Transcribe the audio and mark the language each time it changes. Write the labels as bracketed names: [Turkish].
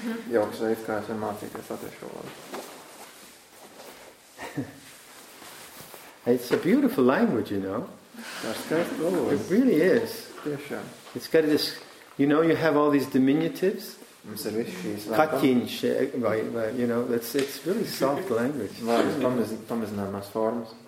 [Latvian] Jauks veids, kā es varu mācīties latviešu valodu. [English] It's a beautiful language, you know. It really is. [Latvian] Tiešām. [English] It's got this, you know, you have all these diminutives. [Latvian] Mums ir visi šīs [English] Katiņš, you know, it's really soft language. [Latvian] Vārdas pamazināmās formas.